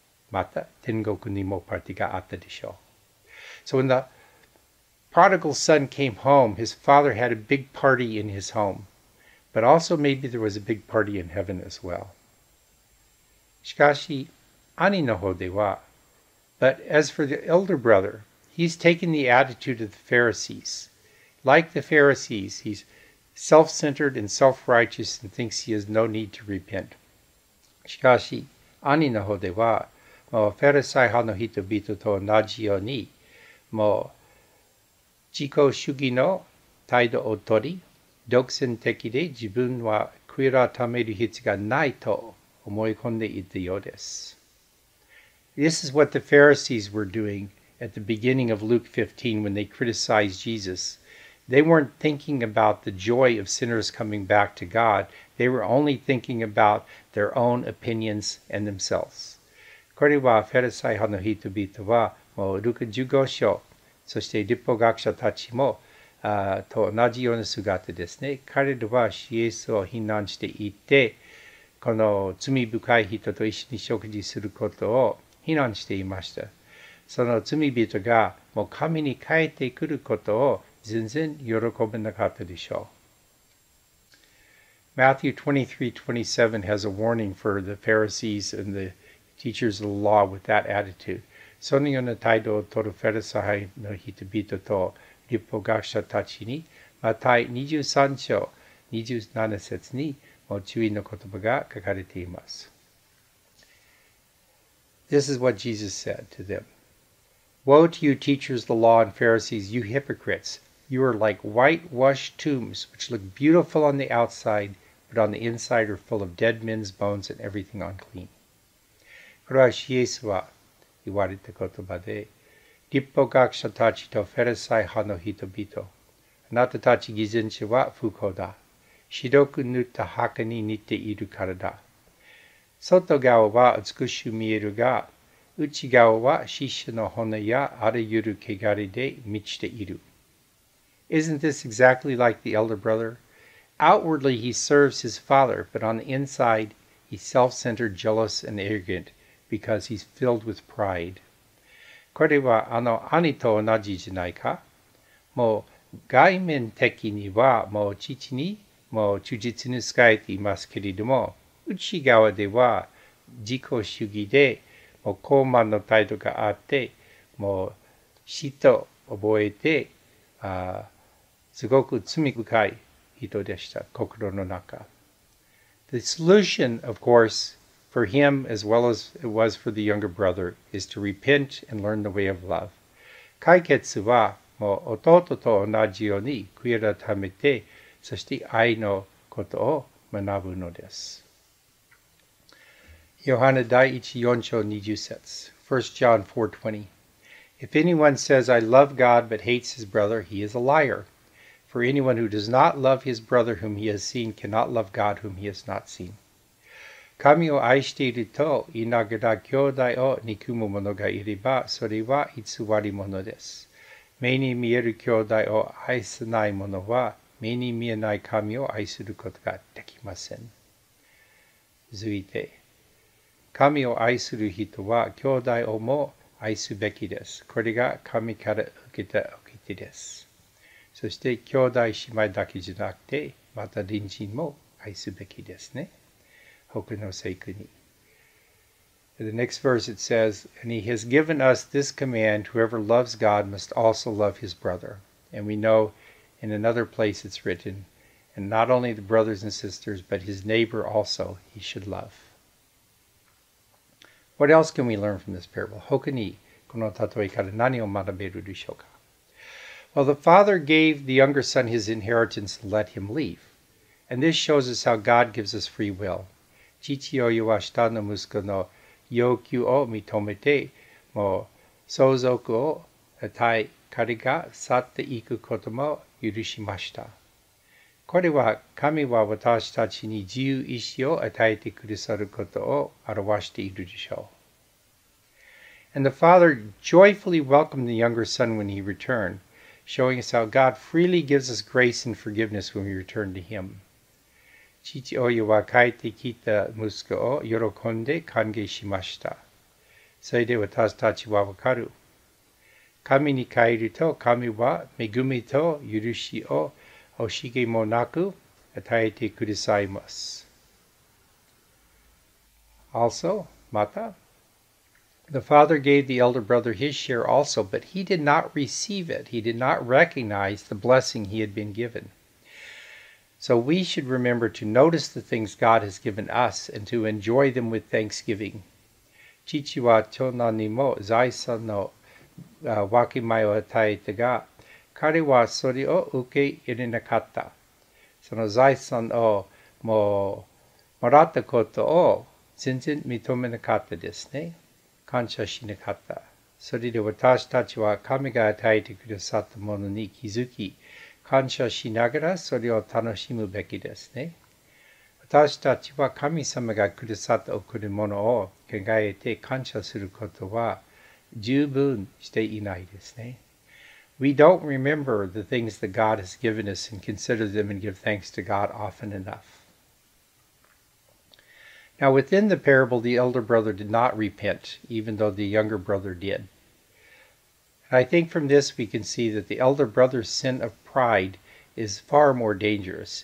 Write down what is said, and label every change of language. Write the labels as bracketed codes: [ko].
[ja] また天国にもパーティーがあったでしょう。 [en] So when the prodigal son came home, his father had a big party in his home. But also maybe there was a big party in heaven as well. [ja] しかし、兄の方では、 [en] But as for the elder brother, he's taken the attitude of the Pharisees. Like the Pharisees, he's self-centered and self-righteous and thinks he has no need to repent. [ja] しかし、兄の方では、もうフェルサイ派の人々と同じように、もう自己主義の態度を取り、独占的で自分は悔い改める必要がないと思い込んでいたようです。 [en] This is what the Pharisees were doing at the beginning of Luke 15 when they criticized Jesus. They weren't thinking about the joy of sinners coming back to God. They were only thinking about their own opinions and themselves. [ja] これはフェルサイ派の人々は、もうルカ15章、そして律法学者たちも、と同じような姿ですね。彼らはイエスを非難していて、この罪深い人と一緒に食事することを非難していました。その罪人がもう神に帰ってくることを全然喜べなかったでしょう。 [en] Matthew 23:27 has a warning for the Pharisees and theteachers of the law with that attitude. [ja] そのような態度を取るフェルサイの人々と律法学者たちに、マタイ23章27節にも注意の言葉が書かれています。 [en] This is what Jesus said to them. Woe to you, teachers of the law and Pharisees, you hypocrites! You are like whitewashed tombs, which look beautiful on the outside, but on the inside are full of dead men's bones and everything unclean. [ja] これはイエスは言われた言葉で、律法学者たちとフェリサイ派の人々、あなたたち偽善者は不幸だ。白く塗った墓に似ているからだ。外側は美しく見えるが、内側は死者の骨やあらゆる穢れで満ちている。 [en] Isn't this exactly like the elder brother? Outwardly he serves his father, but on the inside he's self-centered, jealous, and arrogant because he's filled with pride. [ja] これはあの兄と同じじゃないか。もう外面的にはもう父にもう忠実に仕えていますけれども、内側では自己主義でもう高慢の態度があって、もう嫉妬を覚えて、すごく罪深い人でした、心の中。 [en] The solution, of course, for him as well as it was for the younger brother, is to repent and learn the way of love. [ja] 解決は、もう弟と同じように悔い改めて、そして愛のことを学ぶのです。ヨハネ第1、4章20節。1 John 4:20。 [en] If anyone says, I love God, but hates his brother, he is a liar. For anyone who does not love his brother whom he has seen cannot love God whom he has not seen. [ja] 神を愛していると言いながら兄弟を憎む者がいれば、それは偽り者です。目に見える兄弟を愛せない者は、目に見えない神を愛することができません。続いて、神を愛する人は兄弟をも愛すべきです。これが神から受けた掟です。そして兄弟姉妹だけじゃなくて、また隣人も愛すべきですね。他の聖句に。 [en] The next verse it says, And he has given us this command, whoever loves God must also love his brother. And we know in another place it's written, And not only the brothers and sisters, but his neighbor also he should love. What else can we learn from this parable? [ja] 他にこの例えから何を学べるでしょうか? [en] Well, the father gave the younger son his inheritance and let him leave. And this shows us how God gives us free will. [ja] 父親は下の息子の要求を認めて、もう相続を与え、彼が去っていくことも許しました。これは神は私たちに自由意志を与えてくださることを表しているでしょう。 [en] And the father joyfully welcomed the younger son when he returned, showing us how God freely gives us grace and forgiveness when we return to him. [ja] 父親は帰ってきた息子を喜んで歓迎しました。それで私たちはわかる。神に帰ると神は恵みと許しを惜しげもなく与えてくださいます。 [en] Also, また、The father gave the elder brother his share also, but he did not receive it. He did not recognize the blessing he had been given. So we should remember to notice the things God has given us and to enjoy them with thanksgiving. [ja] 父は長男にも財産の分け前を与えたが、彼はそれを受け入れなかった。その財産をもうもらったことを全然認めなかったですね。感謝しなかった。それで私たちは神が与えてくださったものに気づき、感謝しながらそれを楽しむべきですね。私たちは神様がくださった贈り物を考えて感謝することは十分していないですね。 [en] We don't remember the things that God has given us and consider them and give thanks to God often enough. Now, within the parable, the elder brother did not repent, even though the younger brother did. And I think from this we can see that the elder brother's sin of pride is far more dangerous.